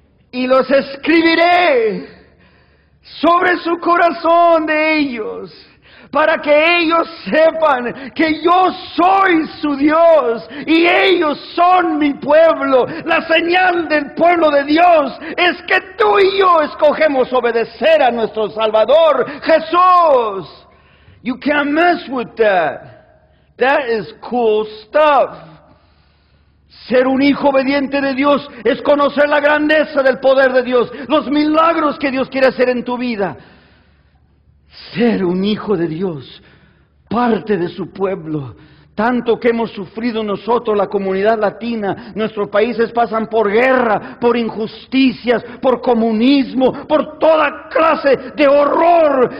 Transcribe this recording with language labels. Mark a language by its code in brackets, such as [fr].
[es] Y los escribiré sobre su corazón de ellos, para que ellos sepan que yo soy su Dios y ellos son mi pueblo. La señal del pueblo de Dios es que tú y yo escogemos obedecer a nuestro Salvador, Jesús. [en] You can't mess with that. That is cool stuff. [es] Ser un hijo obediente de Dios es conocer la grandeza del poder de Dios, los milagros que Dios quiere hacer en tu vida. Ser un hijo de Dios, parte de su pueblo. Tanto que hemos sufrido nosotros, la comunidad latina, nuestros países pasan por guerra, por injusticias, por comunismo, por toda clase de horror.